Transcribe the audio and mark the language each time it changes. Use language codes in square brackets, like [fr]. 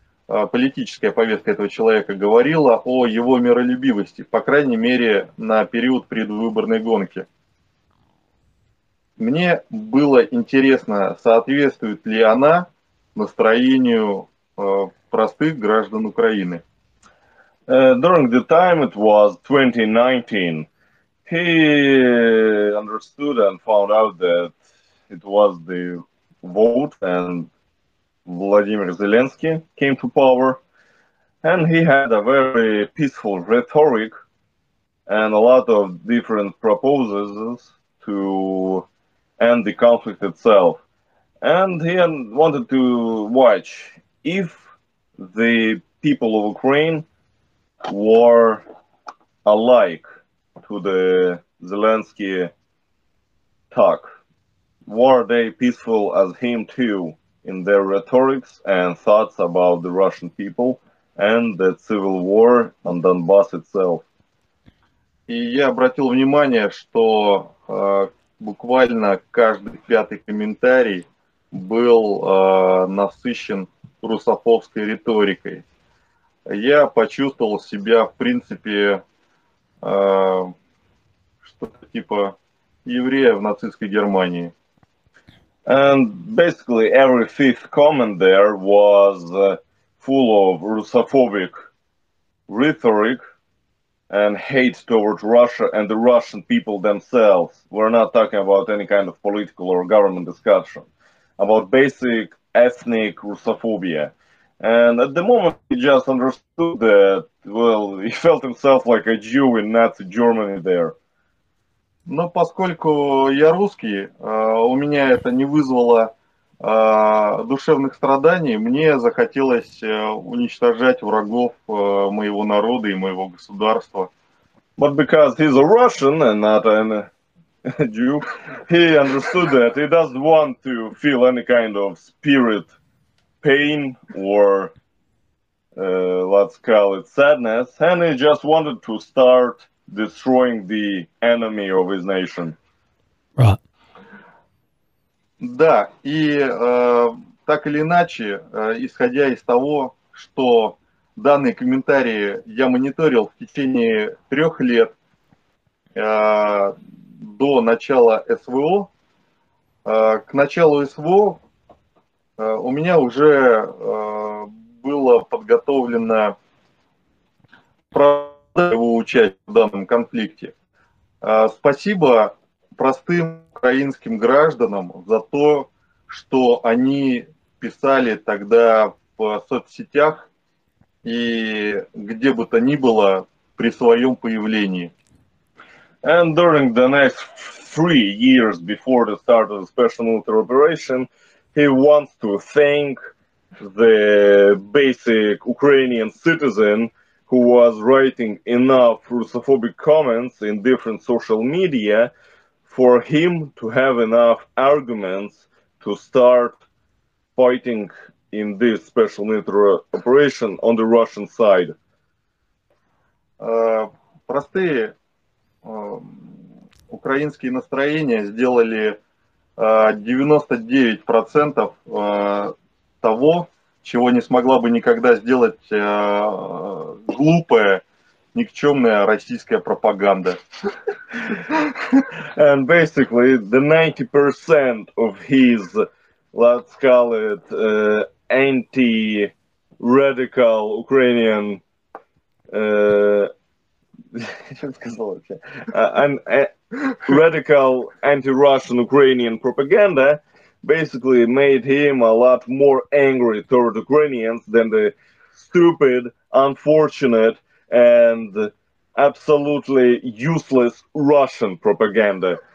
[ru] политическая повестка этого человека говорила о его миролюбивости, по крайней мере, на период предвыборной гонки. Мне было интересно, соответствует ли она настроению простых граждан Украины. [en] During the time it was 2019, he understood and found out that it was the vote and Vladimir Zelensky came to power, and he had a very peaceful rhetoric and a lot of different proposals to end the conflict itself. And he wanted to watch if the people of Ukraine were alike to the Zelensky talk. Were they peaceful as him too in their rhetorics and thoughts about the Russian people and the civil war on Donbass itself? [ru] И я обратил внимание, что буквально каждый пятый комментарий был насыщен русофобской риторикой. Я почувствовал себя, в принципе, что-то типа еврея в нацистской Германии. [en] And basically every fifth comment there was full of Russophobic rhetoric and hate towards Russia and the Russian people themselves. We're not talking about any kind of political or government discussion, about basic ethnic Russophobia. And at the moment he just understood that, well, he felt himself like a Jew in Nazi Germany there. [ru] Но поскольку я русский, у меня это не вызвало душевных страданий, мне захотелось уничтожать врагов моего народа и моего государства. [en] But because he's a Russian and not a Jew, he understood that he doesn't want to feel any kind of spirit pain or, let's call it sadness, and he just wanted to start destroying the enemy of his nation. Right. [ru] Да, и так или иначе, исходя из того, что данные комментарии я мониторил в течение 3 лет до начала СВО, к началу СВО у меня уже было подготовлено его участие в данном конфликте. Спасибо простым украинским гражданам за то, что они писали тогда в соцсетях и где бы то ни было при своем появлении. [en] And during the next 3 years before the start of the special military operation, he wants to thank the basic Ukrainian citizen who was writing enough Russophobic comments in different social media for him to have enough arguments to start fighting in this special military operation on the Russian side. [ru] Простые украинские настроения сделали 99% того, чего не смогла бы никогда сделать глупая, никчемная российская пропаганда. [en] And basically, the 90% of his, let's call it, anti-radical Ukrainian, radical anti-Russian Ukrainian propaganda basically made him a lot more angry toward Ukrainians than the stupid, unfortunate, and absolutely useless Russian propaganda.